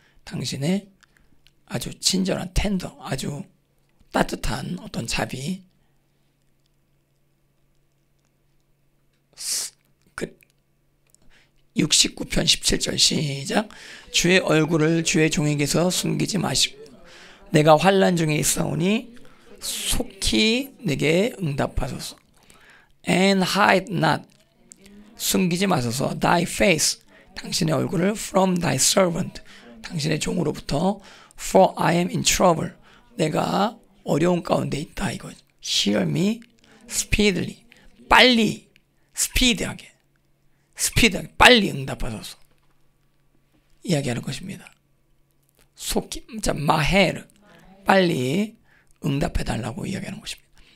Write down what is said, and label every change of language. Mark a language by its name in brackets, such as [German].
[Korean] 당신의 아주 친절한 텐더, 아주 따뜻한 어떤 자비, 그 69편 17절 시작. 주의 얼굴을 주의 종에게서 숨기지 마시고 내가 환난 중에 있사오니 속히 내게 응답하소서. [English] And hide not. [Korean] 숨기지 마소서. [English] Thy face. [Korean] 당신의 얼굴을 [English] from thy servant. [Korean] 당신의 종으로부터. [English] For I am in trouble. [Korean] 내가 어려운 가운데 있다. 이거. [English] Hear me speedily. [Korean] 빨리. 스피디하게, 스피디하게 빨리 응답하소서 이야기하는 것입니다. 속히, 자, 마헤르, 빨리 응답해달라고 이야기하는 것입니다.